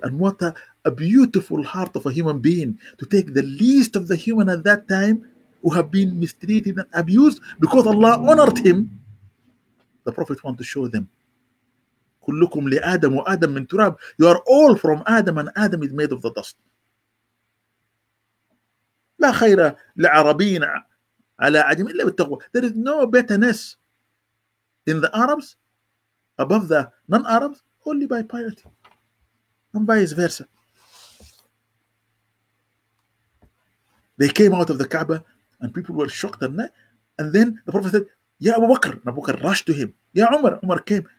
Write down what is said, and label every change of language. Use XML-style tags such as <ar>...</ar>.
<en>And what a beautiful heart of a human being to take the least of the human at that time who have been mistreated and abused because Allah honored him. The Prophet wanted to show them.</en> <ar>كلكم لآدم وآدم من تراب.</ar> <en>You are all from Adam, and Adam is made of the dust.</en> <ar>لا خير لعربين على عجم إلا بالتقوى.</ar> <en>There is no betterness in the Arabs above the non-Arabs only by piety and vice versa. They came out of the Kaaba and people were shocked, and then the Prophet said, Ya Abu Bakr, and Abu Bakr rushed to him. Ya Umar, Umar came.</en>